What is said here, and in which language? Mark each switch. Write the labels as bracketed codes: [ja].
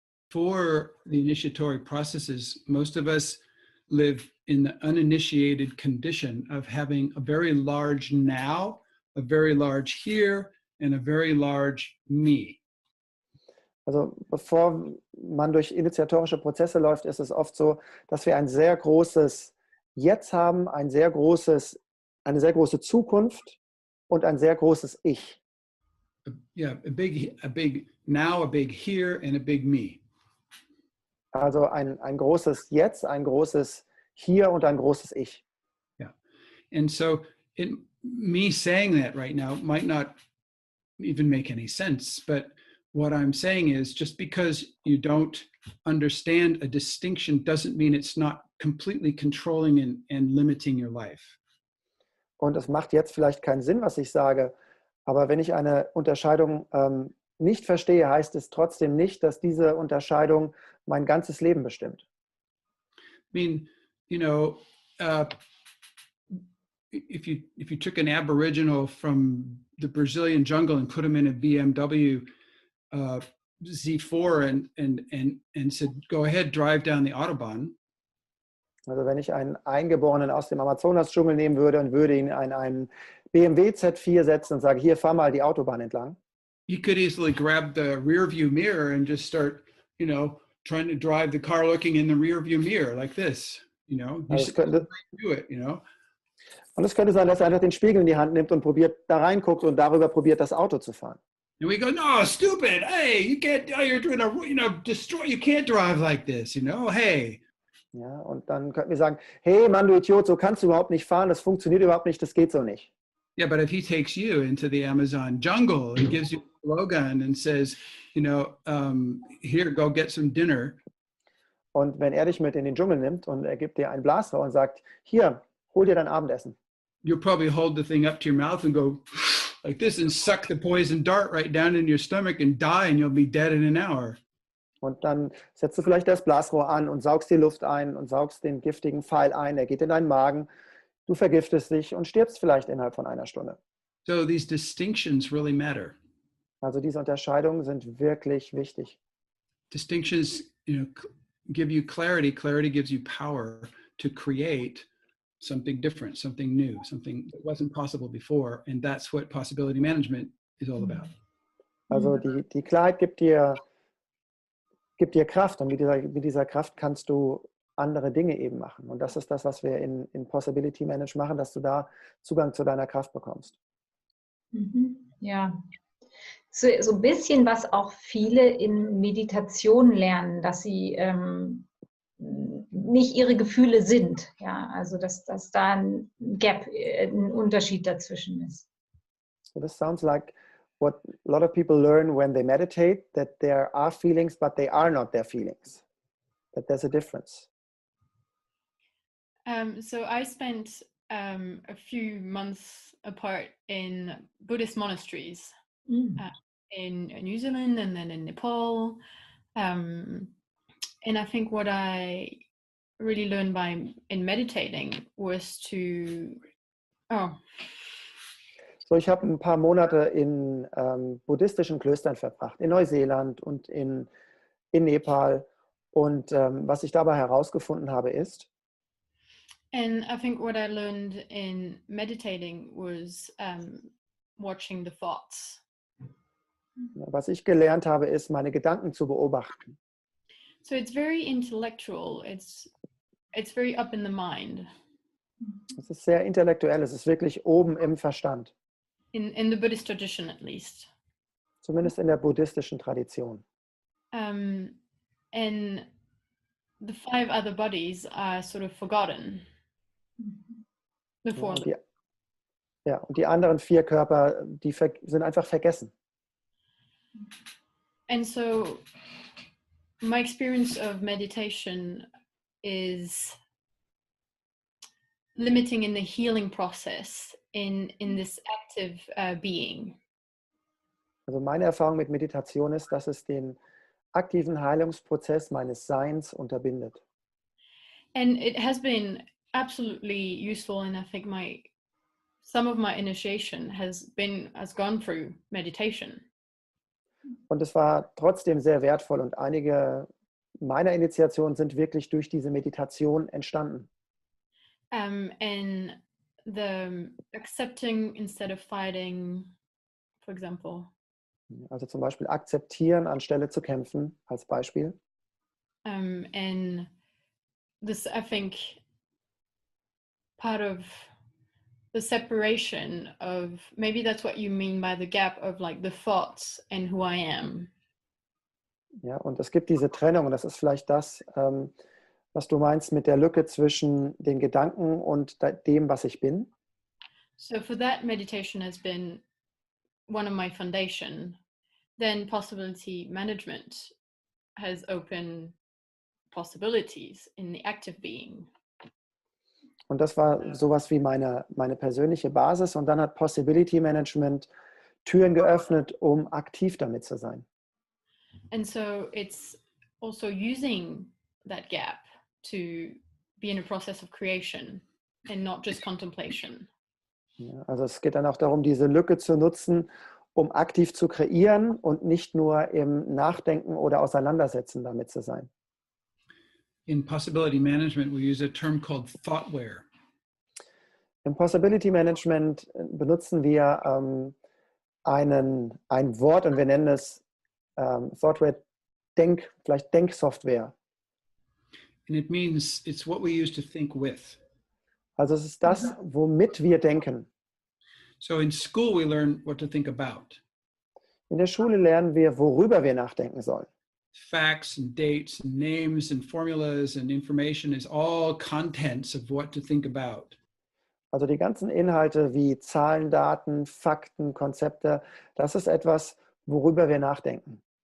[en] for the initiatory processes, most of us live in the uninitiated condition of having a very large now, a very large here, and a very large me. [de] Also bevor man durch initiatorische Prozesse läuft, ist es oft so, dass wir ein sehr großes Jetzt haben, ein sehr großes, eine sehr große Zukunft und ein sehr großes Ich. [en] Yeah, a big now, a big here and a big me. [de] Also ein großes Jetzt, ein großes Hier und ein großes Ich. Yeah. [en] And so in me saying that right now might not even make any sense, but what I'm saying is, just because you don't understand a distinction doesn't mean it's not completely controlling and limiting your life. [de] Und es macht jetzt vielleicht keinen Sinn, was ich sage, aber wenn ich eine Unterscheidung nicht verstehe, heißt es trotzdem nicht, dass diese Unterscheidung mein ganzes Leben bestimmt. [en] I mean, you know, if you took an Aboriginal from the Brazilian jungle and put him in a BMW Z4 and said, go ahead, drive down the Autobahn. [de] Also wenn ich einen Eingeborenen aus dem Amazonas-Dschungel nehmen würde und würde ihn in einen BMW Z4 setzen und sage, hier, fahr mal die Autobahn entlang. [en] He could easily grab the rearview mirror and just start, you know, trying to drive the car looking in the rearview mirror like this, you know. [de] Und es könnte sein, dass er einfach den Spiegel in die Hand nimmt und probiert, da reinguckt und darüber probiert, das Auto zu fahren. [en] And we go, no, stupid, hey, you can't, you're doing a, you know, destroy, you can't drive like this, you know, hey. [de] Ja, und dann könnten wir sagen, hey, Mann, du Idiot, so kannst du überhaupt nicht fahren, das funktioniert überhaupt nicht, das geht so nicht. [en] Yeah, but if he takes you into the Amazon jungle and gives you a blowgun and says, you know, here, go get some dinner. [de] Und wenn dich mit in den Dschungel nimmt und gibt dir einen Blaster und sagt, hier, hol dir dein Abendessen. [en] You'll probably hold the thing up to your mouth and go, like this, and suck the poison dart right down in your stomach and die, and you'll be dead in an hour. [de] Und dann setzt du vielleicht das Blasrohr an und saugst die Luft ein und saugst den giftigen Pfeil ein. Er geht in deinen Magen. Du vergiftest dich und stirbst vielleicht innerhalb von einer Stunde. [en] So these distinctions really matter. [de] Also diese Unterscheidungen sind wirklich wichtig. [en] Distinctions, you know, give you clarity. Clarity gives you power to create something different, something new, something that wasn't possible before, and that's what possibility management is all about. [de] Also die Klarheit gibt dir Kraft, und mit dieser Kraft kannst du andere Dinge eben machen. Und das ist das, was wir in Possibility Manage machen, dass du da Zugang zu deiner Kraft bekommst. Mhm. Ja, so ein bisschen, was auch viele in Meditation lernen, dass sie nicht ihre Gefühle sind, ja, also dass da ein Gap, ein Unterschied dazwischen ist. [en] So this sounds like what a lot of people learn when they meditate, that there are feelings, but they are not their feelings, that there's a difference. So I spent a few months apart in Buddhist monasteries in New Zealand and then in Nepal. And I think what I really learned by in meditating was to [de] So ich habe ein paar Monate in buddhistischen Klöstern verbracht, in Neuseeland und in Nepal, und was ich dabei herausgefunden habe ist, [en] and I think what I learned in meditating was watching the thoughts. [de] Was ich gelernt habe ist, meine Gedanken zu beobachten. [en] So it's very intellectual, it's very up in the mind. [de] Es ist sehr intellektuell, es ist wirklich oben im Verstand. [en] In the Buddhist tradition at least. [de] Zumindest in der buddhistischen Tradition. [en] And the five other bodies are sort of forgotten. Before. [de] Ja, und die anderen vier Körper, die sind einfach vergessen. [en] And so my experience of meditation is limiting in the healing process in this active being. [de] Also meine Erfahrung mit Meditation ist, dass es den aktiven Heilungsprozess meines Seins unterbindet. [en] And it has been absolutely useful, and I think some of my initiation has gone through meditation. [de] Und es war trotzdem sehr wertvoll, und einige meiner Initiation sind wirklich durch diese Meditation entstanden. [en] And the accepting instead of fighting, for example. [de] Also zum Beispiel akzeptieren anstelle zu kämpfen, als Beispiel. [en] And this, I think, part of the separation of, maybe that's what you mean by the gap of like the thoughts and who I am. [de] Ja, und es gibt diese Trennung, das ist vielleicht das, was du meinst mit der Lücke zwischen den Gedanken und dem, was ich bin. [en] So for that, meditation has been one of my foundation. Then possibility management has opened possibilities in the active being. [de] Und das war sowas wie meine persönliche Basis. Und dann hat Possibility Management Türen geöffnet, um aktiv damit zu sein. [en] And so it's also using that gap to be in a process of creation and not just contemplation. [de] Ja, also es geht dann auch darum, diese Lücke zu nutzen, um aktiv zu kreieren und nicht nur im Nachdenken oder Auseinandersetzen damit zu sein. [en] In Possibility Management, we use a term called Thoughtware. [de] In Possibility Management benutzen wir ein Wort und wir nennen es Thoughtware, vielleicht Denksoftware. [en] And it means it's what we use to think with. [de] Also es ist das, womit wir denken. [en] So in school we learn what to think about. [de] In der Schule lernen wir, worüber wir nachdenken sollen. [en] Facts and dates and names and formulas and information is all contents of what to think about. [de] Also die ganzen Inhalte wie Zahlen, Daten, Fakten, Konzepte, das ist etwas, worüber wir nachdenken.